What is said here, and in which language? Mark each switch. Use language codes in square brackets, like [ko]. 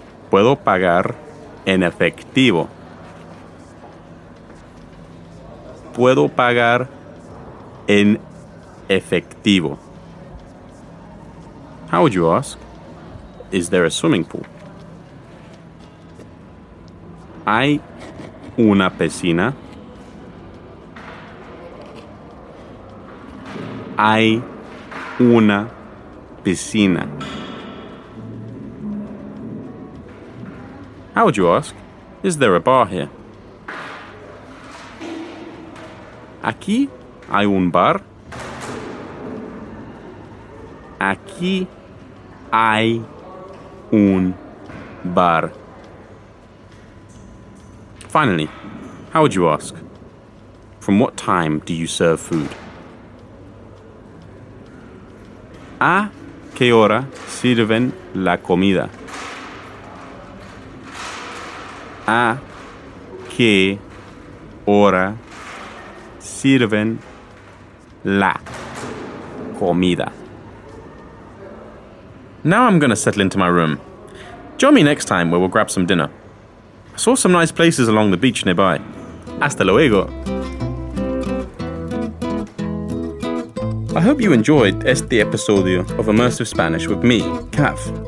[es] ¿Puedo pagar en efectivo? ¿Puedo pagar en efectivo? [en] How would you ask? Is there a swimming pool? [es] ¿Hay una piscina? ¿Hay una piscina? [en] How would you ask? Is there a bar here? [es] ¿Aquí hay un bar? ¿Aquí hay un bar? [en] Finally, how would you ask? From what time do you serve food? [es] ¿A qué hora sirven la comida? ¿A qué hora sirven la comida? [en] Now I'm going to settle into my room. Join me next time where we'll grab some dinner. I saw some nice places along the beach nearby. [es] Hasta luego. [en] I hope you enjoyed [es] este episodio [en] of Immersive Spanish with me, Caf.